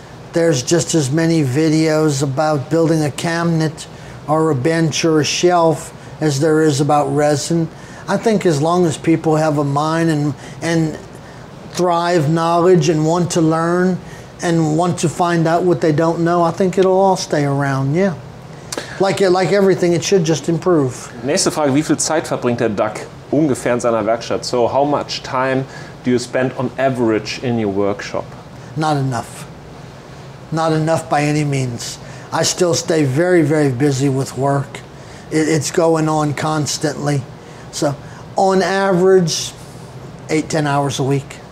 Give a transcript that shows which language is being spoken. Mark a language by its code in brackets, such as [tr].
[en] There's just as many videos about building a cabinet or a bench or a shelf as there is about resin. I think as long as people have a mind and thrive knowledge and want to learn and want to find out what they don't know, I think it'll all stay around, yeah. Like everything, it should just improve. [de] Nächste Frage, wie viel Zeit verbringt der Doug ungefähr in seiner Werkstatt? [en] So how much time do you spend on average in your workshop? Not enough. Not enough by any means. I still stay very, very busy with work. It's going on constantly. So on average, 8-10 hours a week.